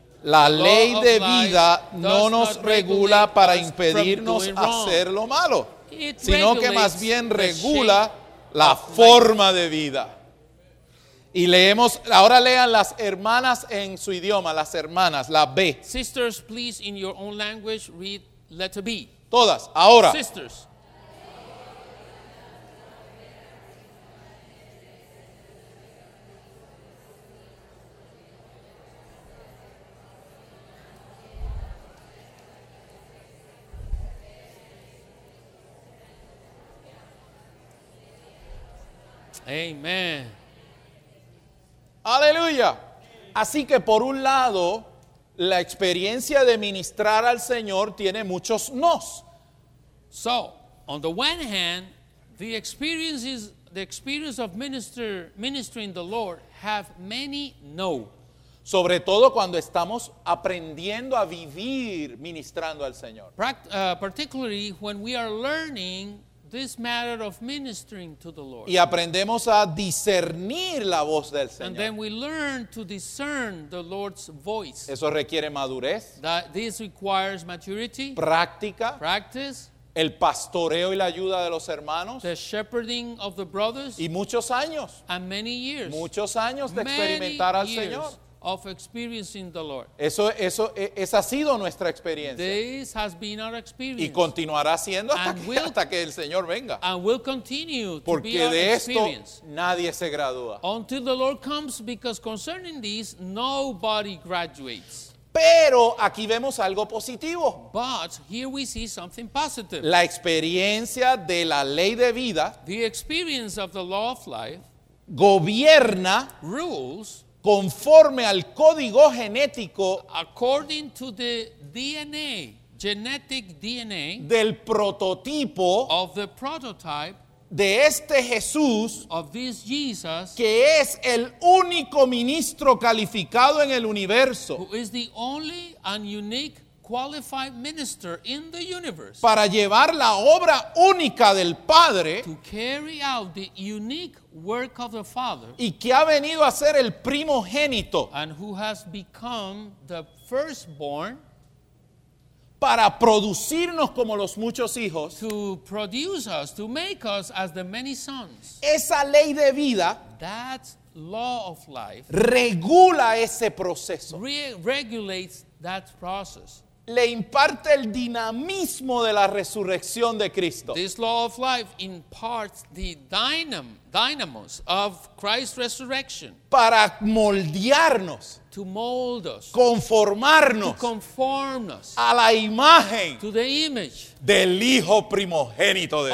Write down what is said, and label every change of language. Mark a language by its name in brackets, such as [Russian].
[Spanish] La ley de vida no nos regula para impedirnos hacer lo malo, sino que más bien regula la forma de vida. Y leemos, ahora lean las hermanas en su idioma, las hermanas, la B. [English] Sisters, please, in your own language, read letter B. [Spanish] Todas, ahora. [English] Sisters. Amen. [Spanish] Aleluya. Así que por un lado, la experiencia de ministrar al Señor tiene muchos nos. [English] So, on the one hand, the experience of ministering the Lord have many no. [Spanish] Sobre todo cuando estamos aprendiendo a vivir ministrando al Señor. [English] Particularly when we are learning this matter of ministering to the Lord. [Spanish] Y aprendemos a discernir la voz del Señor. [English] And then we learn to discern the Lord's voice. [Spanish] Eso requiere madurez. [English] That this requires maturity. [Spanish] Práctica. [English] Practice. [Spanish] El pastoreo y la ayuda de los hermanos. [English] The shepherding of the brothers. [Spanish] Y muchos años. [English] And many years. [Spanish] Muchos años de experimentar al Señor. [English] Of experiencing the Lord. [Spanish] Esa ha sido nuestra experiencia. [English] This has been our experience. [Spanish] Y continuará siendo hasta que el Señor venga. [English] And will continue to [Spanish] porque [English] be our [Spanish] de esto [English] experience. [Spanish] Nadie se gradúa. [English] Until the Lord comes, because concerning this, nobody graduates. [Spanish] Pero aquí vemos algo positivo. [English] But here we see something positive. [Spanish] La experiencia de la ley de vida. [English] The experience of the law of life. [Spanish] Gobierna. [English] Rules. [Spanish] Conforme al código genético, [English] according to the DNA, genetic DNA, [Spanish] del prototipo, [English] of the prototype, [Spanish] de este Jesús, [English] of this Jesus, [Spanish] que es el único ministro calificado en el universo, [English] who is the only and unique qualified minister in the universe, [Spanish] para llevar la obra única del Padre, [English] to carry out the unique work of the Father, [Spanish] y que ha venido a ser el primogénito, [English] and who has become the firstborn, [Spanish] para producirnos como los muchos hijos, [English] to produce us, to make us as the many sons. [Spanish] Esa ley de vida, [English] that law of life, [Spanish] regula ese proceso, [English] regulates that process, [Spanish] le imparte el dinamismo de la resurrección de Cristo. [English] This law of life imparts the dynamos of Christ's resurrection, [Spanish] para moldearnos, [English] to mold us, [Spanish] conformarnos, [English] to conform us, [Spanish] a la imagen, [English] to the image, [Spanish] del Hijo primogénito de